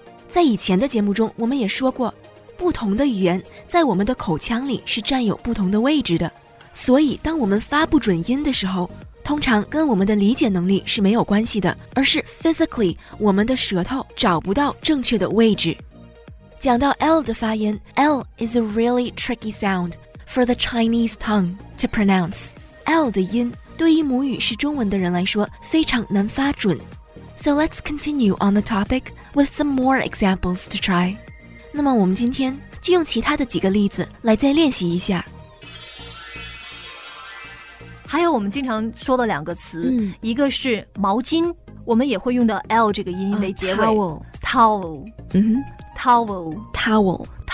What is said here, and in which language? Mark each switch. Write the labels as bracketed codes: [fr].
[zh] 在以前的节目中我们也说过，不同的语言在我们的口腔里是占有不同的位置的，所以当我们发不准音的时候，通常跟我们的理解能力是没有关系的，而是 physically 我们的舌头找不到正确的位置。讲到 L 的发音， [en] L is a really tricky sound for the Chinese tongue to pronounce。 [zh] L 的音对于母语是中文的人来说非常难发准。 [en] So let's continue on the topic with some more examples to try。 [zh] 那么我们今天就用其他的几个例子来再练习一下。还有我们经常说的两个词、嗯、一个是毛巾，我们也会用到 L 这个音为结尾、 [en] towel、嗯、towel。